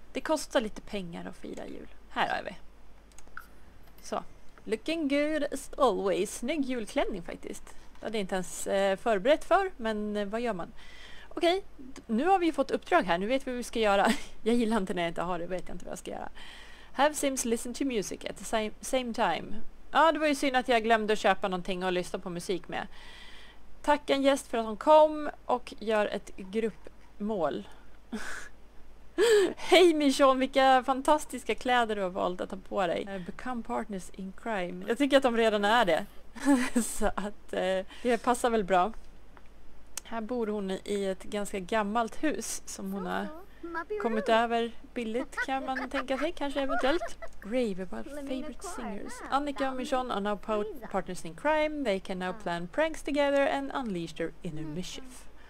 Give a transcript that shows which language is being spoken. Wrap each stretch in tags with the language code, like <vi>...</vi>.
<sv>Det kostar lite pengar att fira jul. Här är vi. Så.</sv> <en>Looking good as always.</en> <sv>Snygg julklänning faktiskt. Det är inte ens förberett för, men vad gör man? Okej, nu har vi fått uppdrag här. Nu vet vi vad vi ska göra. Jag gillar inte när jag inte har det. Vet jag inte vad jag ska göra.</sv> <en>Have Sims listen to music at the same time.</en> <sv>Ja, det var ju synd att jag glömde att köpa någonting och lyssna på musik med. Tack en gäst för att hon kom och gör ett gruppmål. Hej Michon, vilka fantastiska kläder du har valt att ha på dig.</sv> <en>Become partners in crime.</en> <sv>Jag tycker att de redan är det. Så att det passar väl bra. Här bor hon i ett ganska gammalt hus som hon har kommit över billigt, kan man tänka sig, kanske eventuellt.</sv> <en>Rave about favorite singers. Annika och Michon are now partners in crime. They can now plan pranks together and unleash their inner mischief.</en>